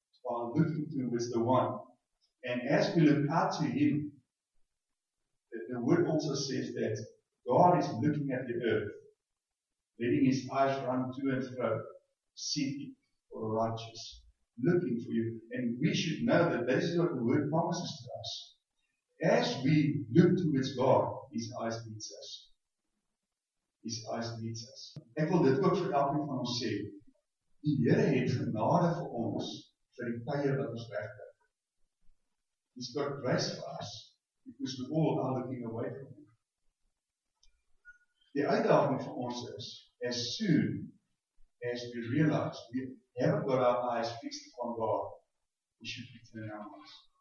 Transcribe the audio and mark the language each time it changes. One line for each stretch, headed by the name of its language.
English: While looking towards the One. And as we look out to Him, the Word also says that God is looking at the earth, letting His eyes run to and fro, seeking for the righteous, looking for you. And we should know that this is what the Word promises to us. As we look towards God, His eyes meet us. His eyes meet us.
Afrikaans: Ek wil dit ook vir elkeen van ons sê, die Here het genade vir ons, vir die tye wat ons wegkom.
English: He's got grace for us, because we all are looking away from Him.
Afrikaans: Die uitdaging vir ons is,
English: as soon as we realize we haven't got our eyes fixed upon God, we should return our eyes.